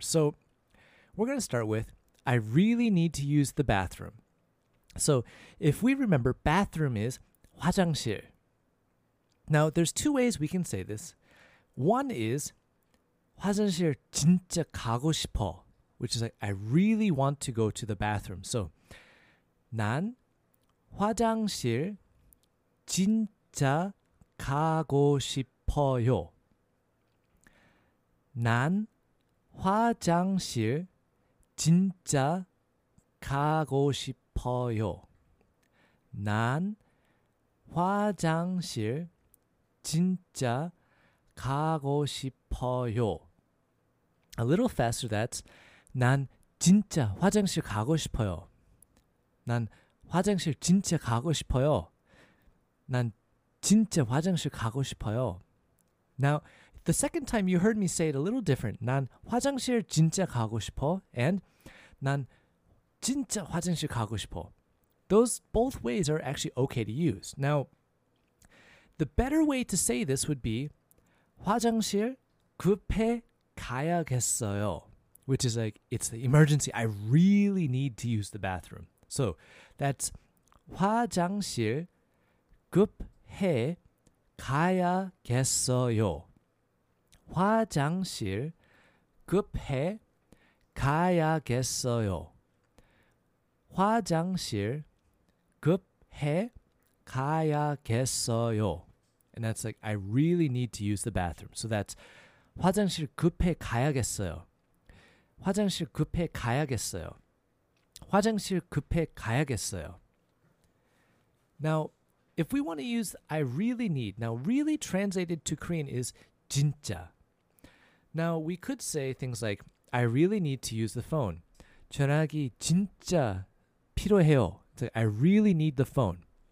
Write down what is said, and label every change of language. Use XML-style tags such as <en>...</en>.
<en>So, we're going to start with, I really need to use the bathroom. So, if we remember, bathroom is 화장실. Now, there's two ways we can say this. One is</en> <ko>화장실 진짜 가고 싶어,</ko> <en>which is like, I really want to go to the bathroom.</en> <ko>So, 난 화장실 진짜 가고 싶어요. 난 화장실 진짜 가고 싶어요. 난 화장실 진짜 가고 싶어요.</ko> <en>A little faster, that's</en> <ko>난 진짜 화장실 가고 싶어요. 난 화장실 진짜 가고 싶어요. 난 진짜 화장실 가고 싶어요.</ko> <en>Now, the second time you heard me say it a little different.</en> <ko>난 화장실 진짜 가고 싶어. And 난 진짜 화장실 가고 싶어.</ko> <en>Those both ways are actually okay to use. Now, the better way to say this would be</en> <ko>화장실 급해 가야겠어요.</ko> <en>Which is like, it's the emergency. I really need to use the bathroom. So that's</en> <ko>화장실 급해 가야겠어요. 화장실 급해 가야겠어요. 화장실 급해 가야겠어요.</ko> <en>And that's like, I really need to use the bathroom. So that's</en> <ko>화장실 급해 가야겠어요. 화장실 급해 가야겠어요. 화장실 급해 가야겠어요.</ko> <en>Now, if we want to use I really need, now really translated to Korean is 진짜. Now, we could say things like, I really need to use the phone.</en> <ko>전화기 진짜 필요해요.</ko> <en>So, I really need the phone.</en>